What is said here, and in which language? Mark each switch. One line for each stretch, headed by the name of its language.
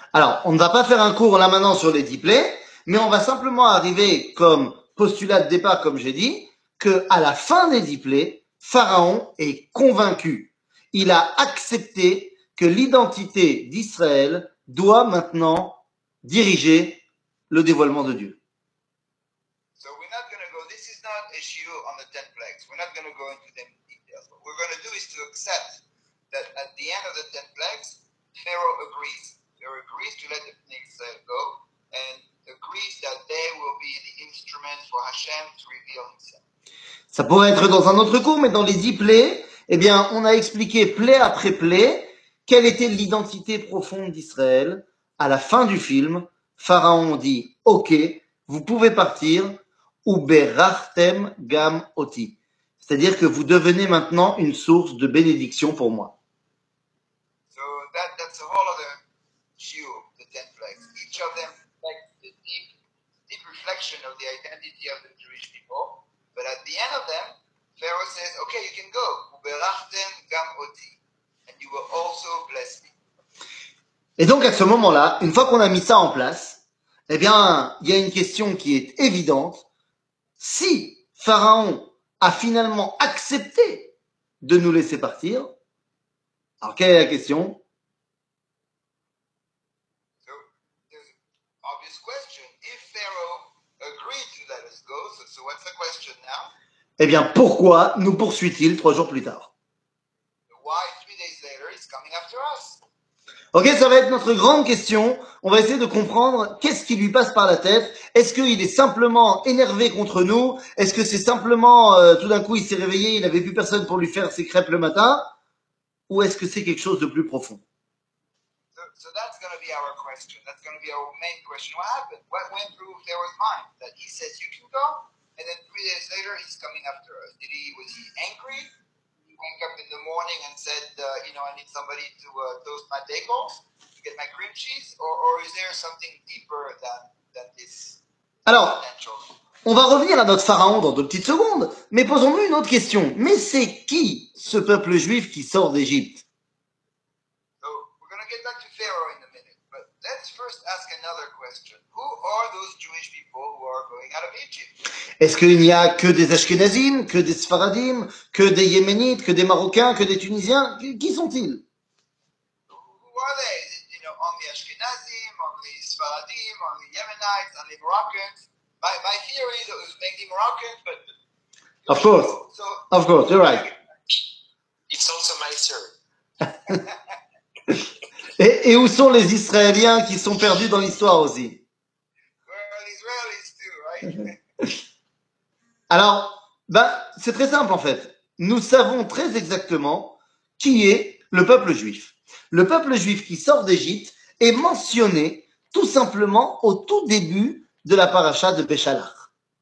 French: Alors, on ne va pas faire un cours là maintenant sur les 10 plaies, mais on va simplement arriver comme postulat de départ, comme j'ai dit, que à la fin des 10 plaies, Pharaon est convaincu. Il a accepté que l'identité d'Israël doit maintenant diriger le dévoilement de Dieu.
English: So we're not going to go, this is not an issue on the 10 plagues. We're not going to go into the details. What we're going to do is to accept that at the end of the 10 plagues, Pharaoh agrees. Pharaoh agrees to let the people go and agrees that they will be the instrument for Hashem to reveal himself.
French: Ça pourrait être dans un autre cours, mais dans les 10 plaies, eh bien, on a expliqué plaie après plaie quelle était l'identité profonde d'Israël. À la fin du film, Pharaon dit « Ok, vous pouvez partir,
Hebrew: uberachtem gam oti
French: », c'est-à-dire que vous devenez maintenant une source de bénédiction pour moi.
English: So that's a whole other issue, the 10 plagues. Each of them reflects the deep reflection of the identity of the Jewish people. But at the end of them, Pharaoh says, ok, you can go,
Hebrew: uberachtem gam oti,
English: and you will also bless me.
French: Et donc, à ce moment-là, une fois qu'on a mis ça en place, eh bien, il y a une question qui est évidente. Si Pharaon a finalement accepté de nous laisser partir, alors quelle est la question?
English: So, there's an obvious question. If Pharaoh agreed to let us go, so what's the question now?
French: Eh bien, pourquoi nous poursuit-il trois jours plus tard?
English: Why 3 days later he's coming after us?
French: Ok, ça va être notre grande question. On va essayer de comprendre qu'est-ce qui lui passe par la tête. Est-ce qu'il est simplement énervé contre nous? Est-ce que c'est simplement, tout d'un coup, il s'est réveillé, il n'avait plus personne pour lui faire ses crêpes le matin? Ou est-ce que c'est quelque chose de plus profond?
English: So that's going to be our question. That's going to be our main question. What happened? What went through Pharaoh's mind? That he says, you can go. And then 3 days later, he's coming after us. Was he angry? Woke up in the morning and said, I need somebody to toast my bagels, to get my cream cheese, or is there something deeper than this?
French: Alors, on va revenir à notre pharaon dans deux petites secondes, mais posons-nous une autre question. Mais c'est qui ce peuple juif qui sort d'Égypte?
English: So, we're going to get back to Pharaoh in a minute, but let's first ask another question. Who are those Jewish people who are going out of Egypt?
French: Est-ce qu'il n'y a que des Ashkenazim, que des Sfaradim, que des Yéménites, que des Marocains, que des Tunisiens? Qui sont-ils?
English: Who are they? Only Ashkenazim, only Sfaradim, only Yemenites, only Moroccans. My theory is mainly Moroccans, but... Of course, you're right. It's also my theory.
French: Et où sont les Israéliens qui sont perdus dans l'histoire aussi?
English: Well, Israelis too, right?
French: Alors, c'est très simple en fait. Nous savons très exactement qui est le peuple juif. Le peuple juif qui sort d'Égypte est mentionné tout simplement au tout début de la paracha de Béchalar.